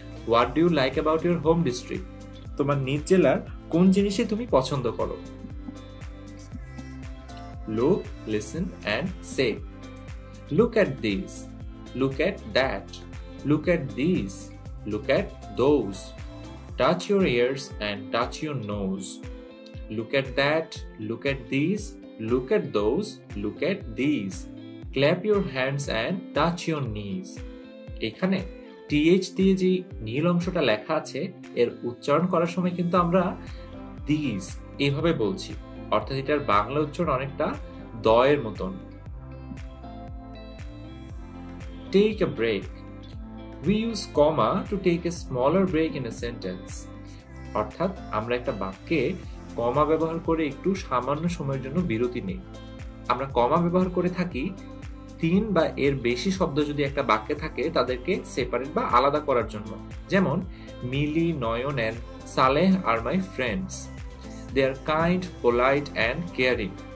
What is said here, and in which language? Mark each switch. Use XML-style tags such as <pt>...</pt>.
<en>What do you like about your home district?</en> <bn>তোমার নিজ জেলার কোন জিনিসে তুমি পছন্দ করো?</bn> <en>Look, listen and say. Look at this. Look at that. Look at these, look at those. Touch your ears and touch your nose. Look at that, look at these, look at those, look at these. Clap your hands and touch your knees.</en> <bn>এখানে TH দিয়ে যে নীল অংশটা লেখা আছে এর উচ্চারণ করার সময় কিন্তু আমরা these এভাবে বলছি, অর্থাৎ এটার বাংলা উচ্চারণ অনেকটা দয়ের মতন।</bn> <en>Take a break. We use comma to take a smaller break in a sentence.</en> <bn>অর্থাৎ আমরা একটা বাক্যে কমা ব্যবহার করে একটু সামান্য সময়ের জন্য বিরতি নেই। আমরা কমা ব্যবহার করে থাকি তিন বা এর বেশি শব্দ যদি একটা বাক্যে থাকে তাদেরকে সেপারেট বা আলাদা করার জন্য।</bn> <en>যেমন Mili, Nayan and Saleh are my friends, they are kind, polite and caring.</en>